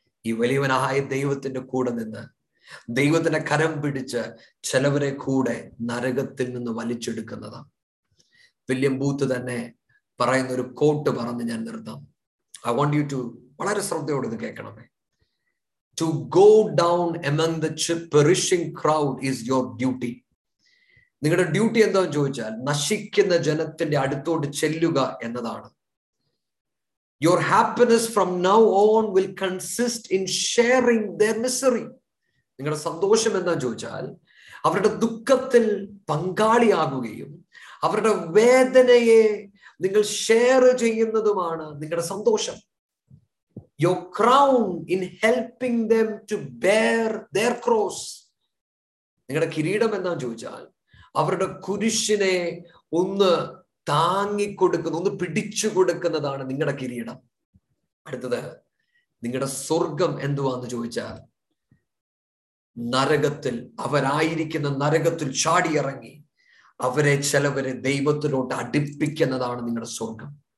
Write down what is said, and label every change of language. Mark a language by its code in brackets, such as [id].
[ml] ഈ വലിയവനായ ദൈവത്തിന്റെ കൂടെ നിന്ന്, ദൈവത്തിന്റെ കരം പിടിച്ച് ചിലവരെ കൂടെ നരകത്തിൽ നിന്ന് വലിച്ചെടുക്കുന്നതാണ്. വില്യം ബൂത്ത് തന്നെ പറയുന്ന ഒരു കോട്ട് പറഞ്ഞ് ഞാൻ നിർത്താം. I want you to വളരെ ശ്രദ്ധയോടെ ഇത് കേൾക്കണമേ. To go down among the പെറിഷിംഗ് crowd is your duty. നിങ്ങളുടെ ഡ്യൂട്ടി എന്താന്ന് ചോദിച്ചാൽ നശിക്കുന്ന ജനത്തിന്റെ അടുത്തോട്ട് ചെല്ലുക എന്നതാണ്. [en] Your happiness from now on will consist in sharing their misery. [ml] നിങ്ങളുടെ സന്തോഷം എന്താന്ന് ചോദിച്ചാൽ അവരുടെ ദുഃഖത്തിൽ പങ്കാളിയാകുകയും അവരുടെ വേദനയെ നിങ്ങൾ ഷെയർ ചെയ്യുന്നതുമാണ് നിങ്ങളുടെ സന്തോഷം. [en] Your crown in helping them to bear their cross. [ml] നിങ്ങളുടെ കിരീടം എന്താന്ന് ചോദിച്ചാൽ അവരുടെ കുരിശിനെ ഒന്ന് താങ്ങിക്കൊടുക്കുന്ന, ഒന്ന് പിടിച്ചു കൊടുക്കുന്നതാണ് നിങ്ങളുടെ കിരീടം. അടുത്തത് നിങ്ങളുടെ സ്വർഗം എന്തുവാന്ന് ചോദിച്ചാൽ നരകത്തിൽ, അവരായിരിക്കുന്ന നരകത്തിൽ ചാടിയിറങ്ങി അവരെ ചിലവരെ ദൈവത്തിലോട്ട് അടുപ്പിക്കുന്നതാണ് നിങ്ങളുടെ സ്വർഗം.